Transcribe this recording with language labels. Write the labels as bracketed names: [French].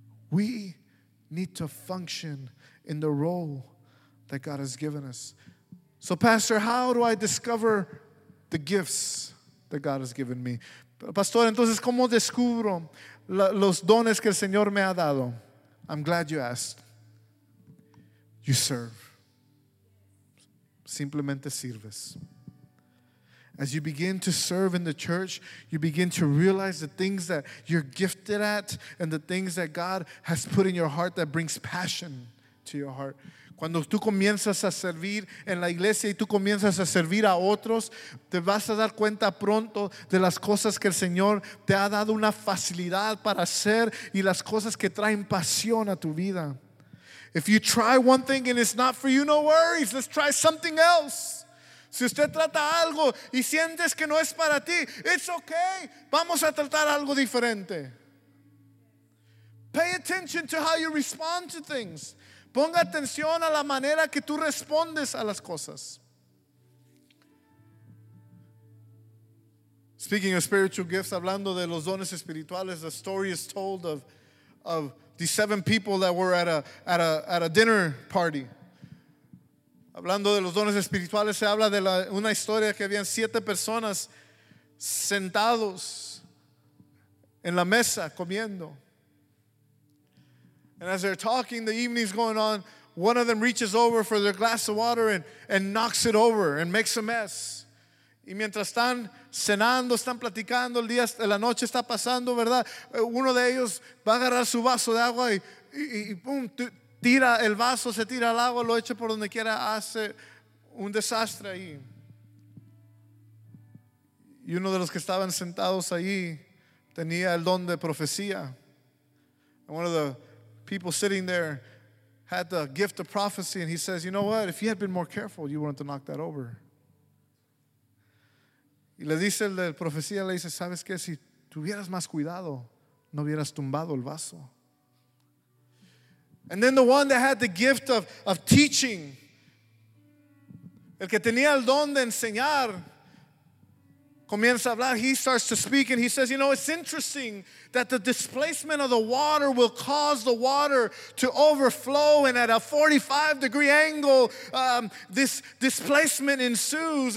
[English] We need to function in the role that God has given us. So, Pastor, how do I discover the gifts that God has given me? [Spanish] Pastor, entonces, ¿cómo descubro los dones que el Señor me ha dado? [English] I'm glad you asked. You serve. [Spanish] Simplemente sirves. [English] As you begin to serve in the church, you begin to realize the things that you're gifted at and the things that God has put in your heart that brings passion to your heart. [Spanish] Cuando tú comienzas a servir en la iglesia y tú comienzas a servir a otros, te vas a dar cuenta pronto de las cosas que el Señor te ha dado una facilidad para hacer y las cosas que traen pasión a tu vida. [English] If you try one thing and it's not for you, no worries. Let's try something else. [Spanish] Si usted trata algo y sientes que no es para ti, [English] it's okay. [Spanish] Vamos a tratar algo diferente. [English] Pay attention to how you respond to things. [Spanish] Ponga atención a la manera que tú respondes a las cosas. [English] Speaking of spiritual gifts, [Spanish] hablando de los dones espirituales, [English] the story is told of the seven people that were at a dinner party. [Spanish] Hablando de los dones espirituales, se habla de una historia que habían siete personas sentados en la mesa comiendo. [English] And as they're talking, the evening's going on, one of them reaches over for their glass of water and knocks it over and makes a mess. [Spanish] Y mientras están cenando, están platicando, el día, la noche está pasando, ¿verdad? Uno de ellos va a agarrar su vaso de agua y pum, tira el vaso, se tira al agua, lo echa por donde quiera, hace un desastre ahí. Y uno de los que estaban sentados ahí tenía el don de profecía. [English] And one of the people sitting there had the gift of prophecy, and he says, you know what, if you had been more careful, you wouldn't have knocked that over. [Spanish] Y le dice el de profecía, le dice, ¿sabes qué? Si tuvieras más cuidado, no hubieras tumbado el vaso. [English] And then the one that had the gift of teaching, [Spanish] el que tenía el don de enseñar, comienza a hablar, [English] he starts to speak, and he says, you know, it's interesting that the displacement of the water will cause the water to overflow, and at a 45 degree angle, this displacement ensues.